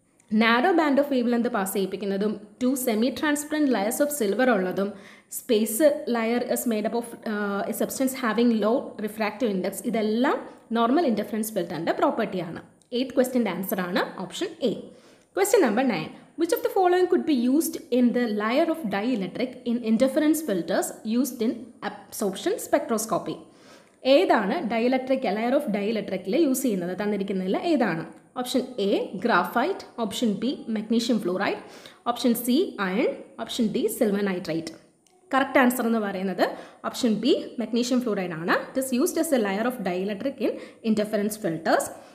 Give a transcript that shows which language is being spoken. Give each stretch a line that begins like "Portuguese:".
English: narrow band of wave length
Malayalam: pass ചെയ്യിപ്പിക്കുന്നതും
English: two semi transparent layers of silver
Malayalam: ഉള്ളതും
English: space layer is made up of a substance having low refractive index
Malayalam: ഇതെല്ലാം normal interference ഫിൽട്ടറിൻ്റെ പ്രോപ്പർട്ടിയാണ്. Eighth ക്വസ്റ്റ്യൻ്റെ answer ആണ് option A.
English: Question number 9. Which of the following could be used in the layer of dielectric in interference filters used in absorption spectroscopy?
Malayalam: ഏതാണ് dielectric layer of ഡയലക്ട്രിക്കിൽ use ചെയ്യുന്നത്, തന്നിരിക്കുന്നതിൽ ഏതാണ്?
English: Option A graphite, option B magnesium fluoride, option C iron, option D silver nitrite.
Malayalam: Correct answer എന്ന് പറയുന്നത് option B magnesium fluoride ആണ്.
English: It is used as a layer of dielectric in interference filters.